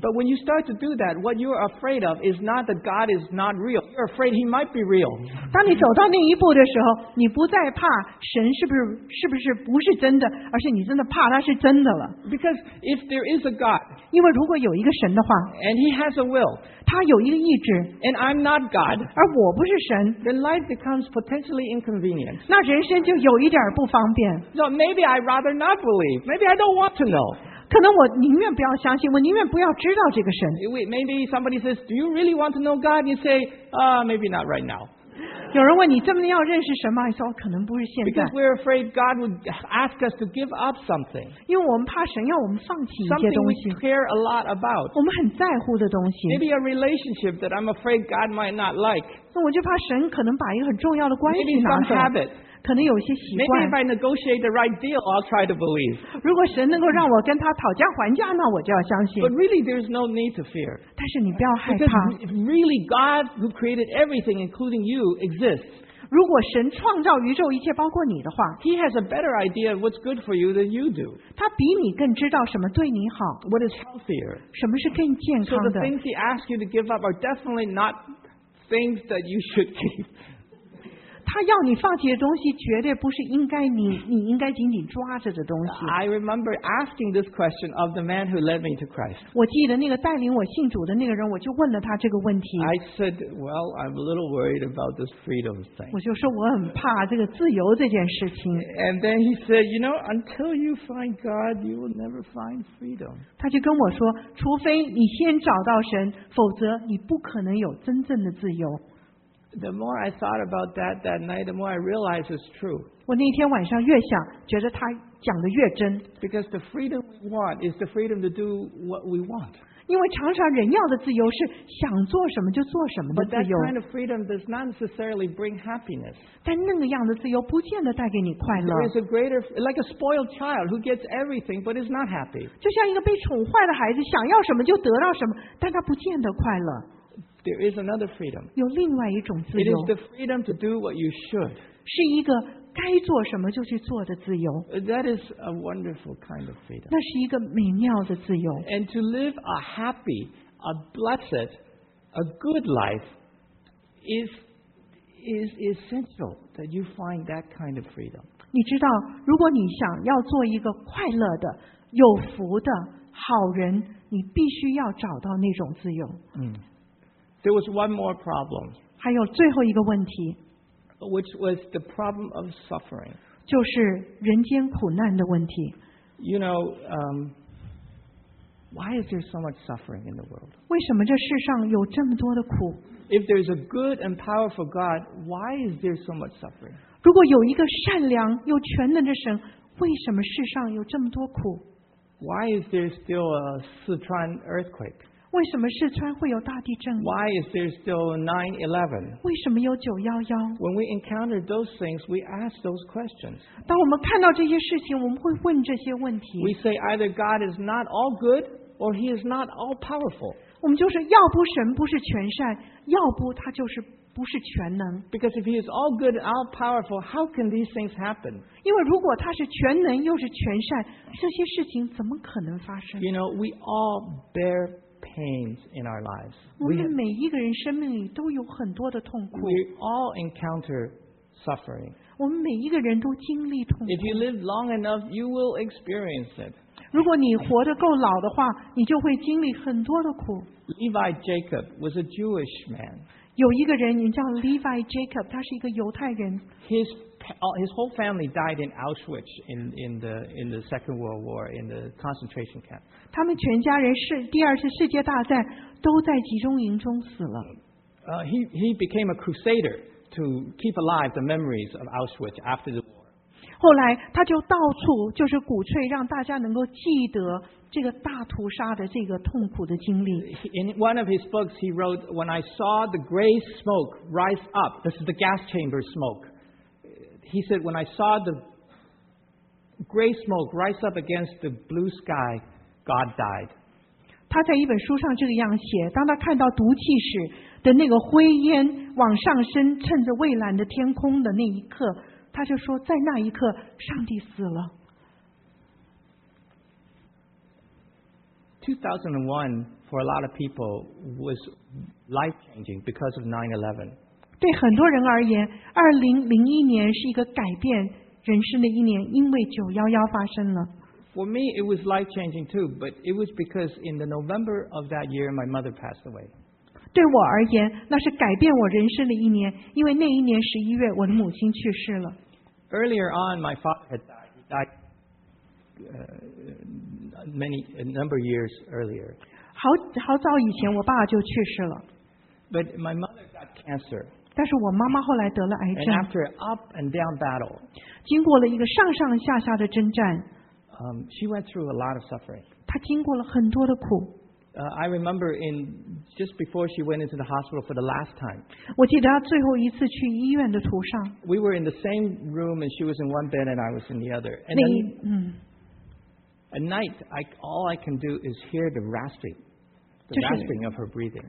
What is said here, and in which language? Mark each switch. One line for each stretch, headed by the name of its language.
English: But when you start to do that, what you are afraid of is not that God is not real. You're afraid He might be real.
Chinese: 当你走到那一步的时候，你不再怕神是不是真的，而是你真的怕他是真的了。
English: Because if there is a God,
Chinese: 因为如果有一个神的话
English: ，and He has a will,
Chinese: 他有一个意志
English: ，and I'm not God,
Chinese: 而我不是神
English: ，then life becomes potentially inconvenient.
Chinese: 那人生就有一点不方便。
English: So maybe I'd rather not believe. Maybe I don't want to know.
Chinese: 可能我宁愿不要相信，我宁愿不要知道这个神。
English: Maybe somebody says, "Do you really want to know God?" You say, maybe not right now."
Chinese: 有人问你这么要认识神吗？你说可能不是现在。
English: Because we're afraid God would ask us to give up something.
Chinese: 因为我们怕神要我们放弃一些东西。
English: Something we care a lot about.
Chinese: 我们很在乎的东西。
English: Maybe a relationship that I'm afraid God might not like.
Chinese: 那我就怕神可能把一个很重要的关系拿走。
English: Maybe some habit.
Chinese: 可能有一些习惯。
English: Maybe if I negotiate the right deal, I'll try to believe.
Chinese: 如果神能够让我跟他讨价还价，那我就要相信。
English: But really, there's no need to fear.
Chinese: 但是你不要害怕。
English: Because if really God, who created everything, including you, exists,
Chinese: 如果神创造宇宙一切，包括你的话
English: ，He has a better idea of what's good for you than you do.
Chinese: 他比你更知道什么对你好。
English: What is healthier?
Chinese: 什么是更健康的
English: ？So the things He asks you to give up are definitely not things that you should keep.
Chinese: 他要你放弃的东西绝对不是应该你应该紧紧抓着的东西。
English: I remember asking this question of the man who led me to Christ.
Chinese: 我记得那个带领我信主的那个人，我就问了他这个问题。
English: I said, well, I'm a little worried about this freedom thing.
Chinese: 我就说我很怕这个自由这件事情。
English: And then he said, you know, until you find God, you will never find freedom.
Chinese: 他就跟我说，除非你先找到神，否则你不可能有真正的自由。
English: The more I thought about that night, the more I realized it's true.
Chinese: 我那天晚上越想，觉得他讲的越真。
English: Because the freedom we want is the freedom to do what we want.
Chinese: 因为常常人要的自由是想做什么就做什么的自由。
English: But that kind of freedom does not necessarily bring happiness.
Chinese: 但那个样的自由不见得带给你快乐。
English: There is a greater, like a spoiled child who gets everything but is not happy.
Chinese: 就像一个被宠坏的孩子，想要什么就得到什么，但他不见得快乐。
English: There is another freedom.
Chinese: 有另外一种自由。
English: It is the freedom to do what you should.
Chinese: 是一个该做什么就去做的自由。
English: That is a wonderful kind of freedom.
Chinese: 那是一个美妙的自由。
English: And to live a happy, a blessed, a good life is essential that you find that kind of freedom.
Chinese: 你知道，如果你想要做一个快乐的、有福的好人，你必须要找到那种自由。嗯。
English: There was one more problem.
Chinese: 还有最后一个问题。
English: Which was the problem of suffering.
Chinese: 就是人间苦难的问题。
English: You know, why is there so much suffering in the world?
Chinese: 为什么这世上有这么多的苦?
English: If there's a good and powerful God, why is there so much suffering?
Chinese: 如果有一个善良又全能的神，为什么世上有这么多苦?
English: Why is there still a Sichuan earthquake?
Chinese: 为什么四川会有大地震
English: ？Why is there still 9/11？
Chinese: 为什么有911
English: ？When we encounter those things, we ask those questions.
Chinese: 当我们看到这些事情，我们会问这些问题。
English: We say either God is not all good, or He is not all powerful.
Chinese: 我们就是要不神不是全善，要不他就是不是全能。
English: Because if He is all good and all powerful, how can these things happen?
Chinese: 因为如果他是全能又是全善，这些事情怎么可能发生
English: ？You know, we all bear. Pains in our lives.
Chinese: 我们每一个人生命里都有很多的痛苦。
English: We all encounter suffering.
Chinese: 我们每一个人都经历痛苦。
English: If you live long enough, you will experience it.
Chinese: 如果你活得够老的话，你就会经历很多的苦。
English: Levi Jacob was a Jewish man.
Chinese: 有一个人名叫 Levi Jacob， 他是一个犹太人。
English: His whole family died in Auschwitz in the Second World War in the concentration camp.
Chinese: 他们全家人是第二次世界大战都在集中营中死了。
English: He became a crusader to keep alive the memories of Auschwitz after the war.
Chinese: 后来他就到处就是鼓吹让大家能够记得这个大屠杀的这个痛苦的经历。
English: In one of his books, he wrote, "When I saw the gray smoke rise up, this is the gas chamber smoke." He said, when I saw the gray smoke rise up against the blue sky, God died.
Chinese: 他在一本书上这样写，当他看到毒气室的那个灰烟往上升，趁着蔚蓝的天空的那一刻，他就说，在那一刻，上帝死了。
English: 2001 for a lot of people was life-changing because of 9/11.
Chinese: 对很多人而言，2001年是一个改变人生的一年，因为911发生了。
English: For me, it was life-changing too, but it was because in the November of that year, my mother passed away.
Chinese: 对我而言，那是改变我人生的一年，因为那一年11月，我的母亲去世了。
English: Earlier on, my father had died. He died a number of years earlier.
Chinese: 好早以前，我爸就去世了。
English: But my mother got cancer.
Chinese: 但是我妈妈后来得了癌症。
English: And after an up and down battle,
Chinese: 经过了一个上上下下的征战。
English: She went through a lot of suffering.
Chinese: 她经过了很多的苦。
English: I remember in just before she went into the hospital for the last time.
Chinese: 我记得她最后一次去医院的途上。
English: We were in the same room and she was in one bed and I was in the other. And at night, all I can do is hear the raspingThe rasping of her breathing.